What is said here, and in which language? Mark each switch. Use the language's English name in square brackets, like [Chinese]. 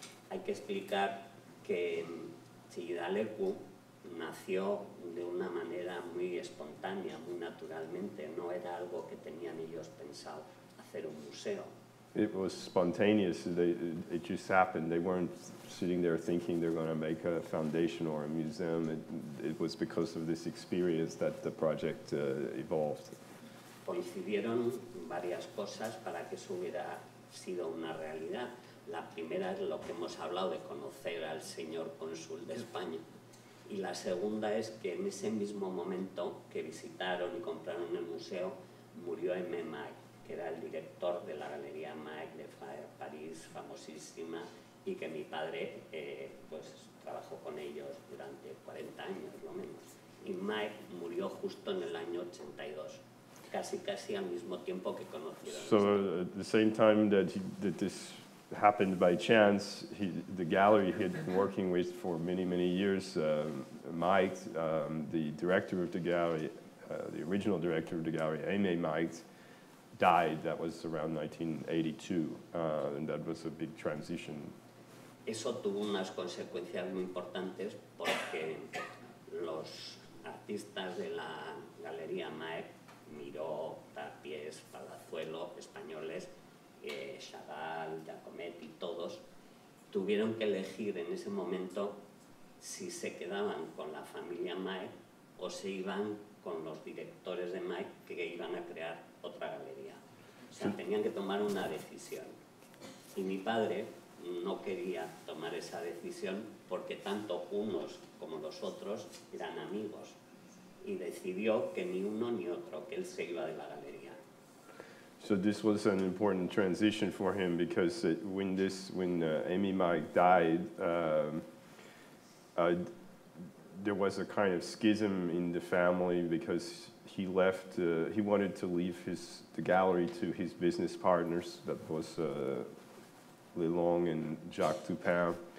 [Spanish] Hay que explicar que Chillida Leku nació de una manera muy espontánea, muy naturalmente. No era algo que tenían ellos pensado hacer un museo. [English] It was spontaneous. It just happened. They weren't sitting there thinking they're going to make a foundation or a museum. It was because of this experience that the project evolved. [Spanish] Coincidieron varias cosas para que eso hubiera sido una realidad. La primera es lo que hemos hablado de conocer al señor cónsul de España. Y la segunda es que en ese mismo momento que visitaron y compraron el museo, murió M. Mag, que era el director de la Galería Mag de París, famosísima, y que mi padre pues, trabajó con ellos durante 40 años, lo menos. Y Mag murió justo en el año 82. Casi, casi al mismo tiempo que conocieron. [English] So, at the same time that this happened by chance, the gallery he had been working with for many, many years, Mike, the director of the gallery, the original director of the gallery, Aimé Mike, died. That was around 1982, and that was a big transition. [Spanish] Eso tuvo unas consecuencias muy importantes porque los artistas de la Galería Mike, Miró, Tapies, Palazuelo, españoles, Chagall, Giacometti, todos, tuvieron que elegir en ese momento si se quedaban con la familia Mike o se iban con los directores de Mike que iban a crear otra galería. O sea, tenían que tomar una decisión. Y mi padre no quería tomar esa decisión porque tanto unos como los otros eran amigos. Y decidió que ni uno ni otro, que él se iba de la galería. [English] So this was an important transition for him because when Amy Mike died, there was a kind of schism in the family because he left. He wanted to leave the gallery to his business partners, that was Lelong and Jacques Toupin.